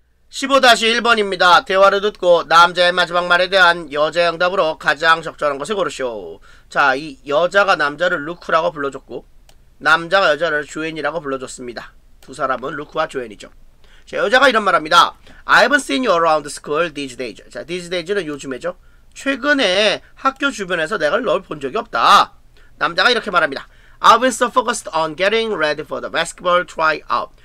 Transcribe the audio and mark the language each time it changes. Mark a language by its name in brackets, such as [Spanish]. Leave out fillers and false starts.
[Korean] 15-1번입니다. 대화를 듣고 남자의 마지막 말에 대한 여자의 응답으로 가장 적절한 것을 고르시오. 자, 이 여자가 남자를 루크라고 불러줬고 남자가 여자를 조앤이라고 불러줬습니다. 두 사람은 루크와 조앤이죠. 자, 여자가 이런 말합니다. [English] I haven't seen you around school these days. [Korean] 자, these days는 요즘에죠. 최근에 학교 주변에서 내가 널 본 적이 없다. 남자가 이렇게 말합니다. [English] I've been so focused on getting ready for the basketball tryout.